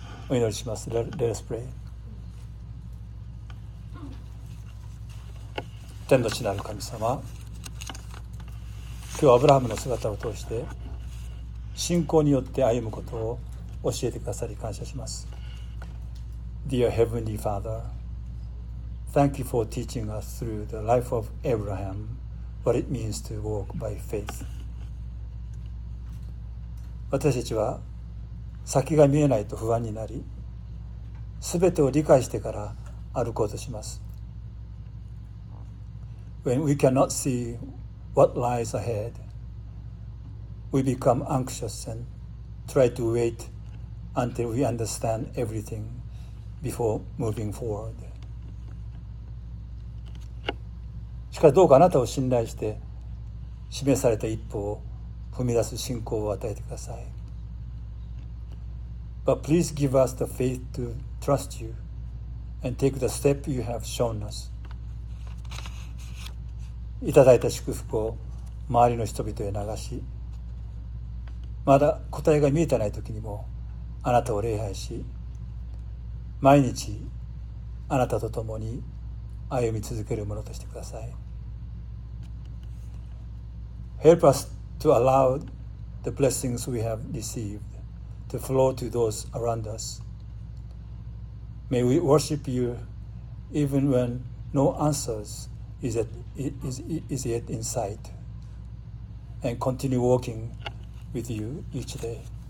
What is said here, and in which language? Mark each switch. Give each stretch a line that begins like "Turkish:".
Japanese: お祈りします。
English: Let us pray。
Japanese: 天の地なる神様、今日アブラハムの姿を通して信仰によって歩むことを教えてくださり感謝します。
English: Dear Heavenly Father, Thank you for teaching us through the life of Abraham what it means to walk by faith。
Japanese: 私たちは先が見えないと不安になり、すべてを理解してから歩こうとします。
English: When we cannot see what lies ahead, we become anxious and try to wait until we understand everything before moving forward。
Japanese: しかしどうかあなたを信頼して示された一歩を踏み出す信仰を与えてください。
English: But please give us the faith toTrust you and take the step you have shown us。
Japanese: いただいた祝福を周りの人々へ流し、まだ答えが見えてない時にもあなたを礼拝し、毎日あなたと共に歩み続けるものとしてください。
English: Help us to allow the blessings we have received to flow to those around us。 May we worship you even when no answers is yet in sight, and continue walking with you each day.